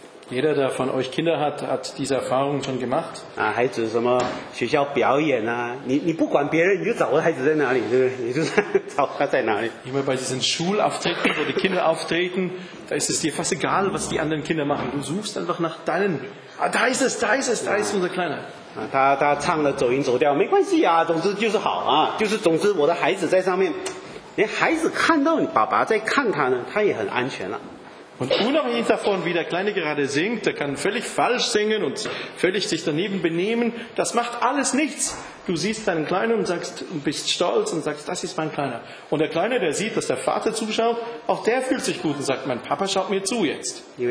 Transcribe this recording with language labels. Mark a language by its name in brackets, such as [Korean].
[German] Jeder, der von euch Kinder hat, hat diese Erfahrung schon gemacht. [Chinese] 啊，孩子什么学校表演啊？你不管别人，你就找孩子在哪里，对不对？你就找他在哪里。 [German] Immer bei diesen Schulauftritten, wo die Kinder auftreten, da ist es dir fast egal, was die anderen Kinder machen. Du suchst einfach nach deinen. Ah, da ist es, da ist es, da ist unser Kleiner. [Chinese] 啊，他唱了走音走调，没关系啊，总之就是好啊，就是总之我的孩子在上面，连孩子看到你爸爸在看他呢，他也很安全了。 [German] Und unabhängig davon, wie der Kleine gerade singt, der kann völlig falsch singen und völlig sich daneben benehmen, das macht alles nichts. Du siehst deinen Kleinen und sagst, bist stolz und sagst, das ist mein Kleiner. Und der Kleine, der sieht, dass der Vater zuschaut, auch der fühlt sich gut und sagt, mein Papa schaut mir zu jetzt.